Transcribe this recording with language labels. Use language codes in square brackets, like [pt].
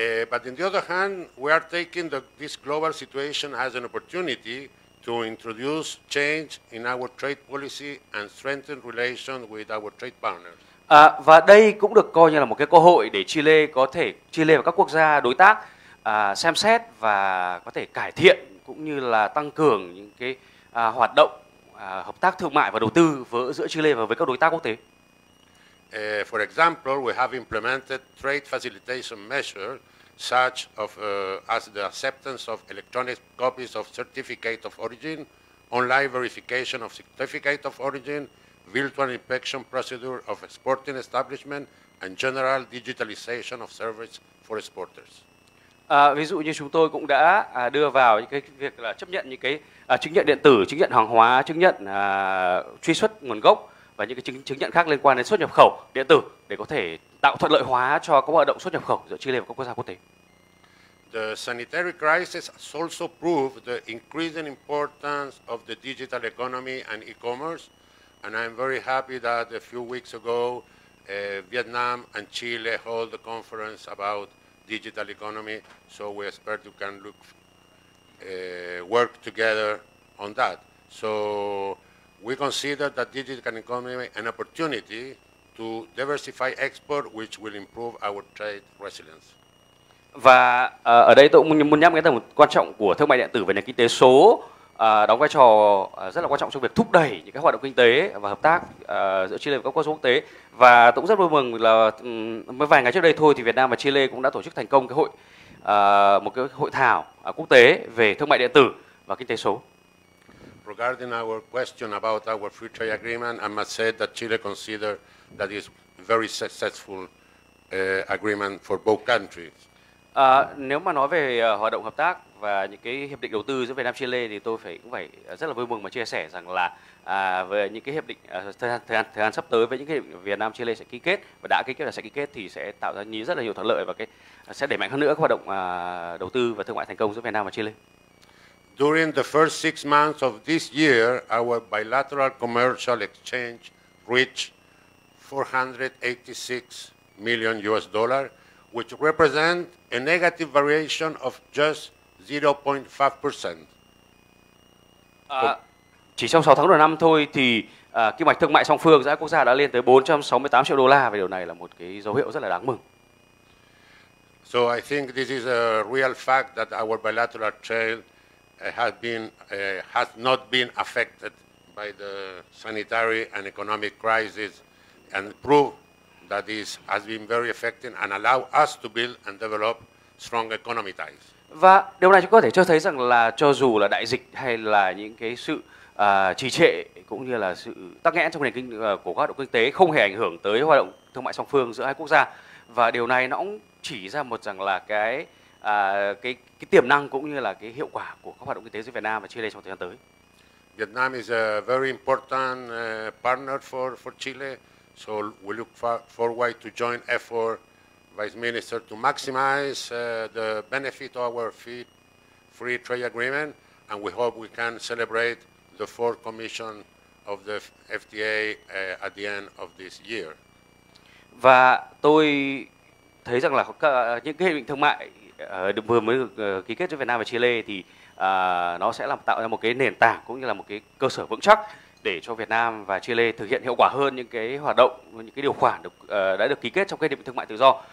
[en] But on the other hand, we are taking this global situation as an opportunity to to introduce change in our trade policy and strengthen relations with our trade partners. [vi] Và đây cũng được coi như là một cái cơ hội để Chile có thể Chile và các quốc gia đối tác xem xét và có thể cải thiện cũng như là tăng cường những cái hoạt động hợp tác thương mại và đầu tư giữa Chile và với các đối tác quốc tế. [en] For example, we have implemented trade facilitation measures such of, as the acceptance of electronic copies of certificate of origin, online verification of certificate of origin, virtual inspection procedure of exporting establishment and general digitalization of service for exporters. [vi] Ví dụ như chúng tôi cũng đã đưa vào những cái việc là chấp nhận những cái chứng nhận điện tử, chứng nhận hàng hóa, chứng nhận truy xuất nguồn gốc và những cái chứng nhận khác liên quan đến xuất nhập khẩu điện tử để có thể tạo thuận lợi hóa cho các hoạt động xuất nhập khẩu giữa Chile và các quốc gia quốc tế. [en] The sanitary crisis has also proved the increasing importance of the digital economy and e-commerce, and I'm very happy that a few weeks ago Vietnam and Chile held a conference about digital economy, so we expect you can look work together on that. So we consider that digital economy an opportunity to diversify export, which will improve our trade resilience. [vi] Và ở đây tôi cũng muốn nhắc cái tầm quan trọng của thương mại điện tử và nền kinh tế số đóng vai trò rất là quan trọng trong việc thúc đẩy những cái hoạt động kinh tế và hợp tác giữa Chile và các quốc gia quốc tế. Và tôi cũng rất vui mừng là mới vài ngày trước đây thôi thì Việt Nam và Chile cũng đã tổ chức thành công cái hội một cái hội thảo quốc tế về thương mại điện tử và kinh tế số. [en] Regarding our question about our free trade agreement, I must say that Chile consider that is very successful agreement for both countries. [vi] Nếu mà nói về hoạt động hợp tác và những cái hiệp định đầu tư giữa Việt Nam Chile thì tôi cũng phải rất là vui mừng mà chia sẻ rằng là về những cái hiệp định thời gian sắp tới với những cái Việt Nam Chile sẽ ký kết và đã ký kết là sẽ ký kết thì sẽ tạo ra rất là nhiều thuận lợi và cái sẽ đẩy mạnh hơn nữa các hoạt động đầu tư và thương mại thành công giữa Việt Nam và Chile. [en] During the first six months of this year, our bilateral commercial exchange reached $486 million, which represent a negative variation of just 0.5%. [vi] Chỉ trong 6 tháng đầu năm thôi thì kim ngạch thương mại song phương giữa quốc gia đã lên tới $468 triệu và điều này là một cái dấu hiệu rất là đáng mừng. [en] So I think this is a real fact that our bilateral trade has not been affected by the sanitary and economic crisis and prove that this has been very effective and allow us to build and develop strong economic ties. [vi] Và điều này chúng có thể cho thấy rằng là cho dù là đại dịch hay là những cái sự trì trệ cũng như là sự tắc nghẽn trong nền kinh của các hoạt động kinh tế không hề ảnh hưởng tới hoạt động thương mại song phương giữa hai quốc gia và điều này nó cũng chỉ ra một rằng là cái tiềm năng cũng như là cái hiệu quả của các hoạt động kinh tế giữa Việt Nam và Chile trong thời gian tới. [en] Vietnam is a very important partner for Chile. So we look forward to join effort, Vice Minister, to maximize the benefit of our free trade agreement, and we hope we can celebrate the fourth commission of the FTA at the end of this year. [vi] Và tôi thấy rằng là những cái hiệp định thương mại vừa mới được ký kết giữa Việt Nam và Chile thì nó sẽ làm tạo ra một cái nền tảng cũng như là một cái cơ sở vững chắc để cho Việt Nam và Chile thực hiện hiệu quả hơn những cái hoạt động, những cái điều khoản đã được ký kết trong cái hiệp định thương mại tự do.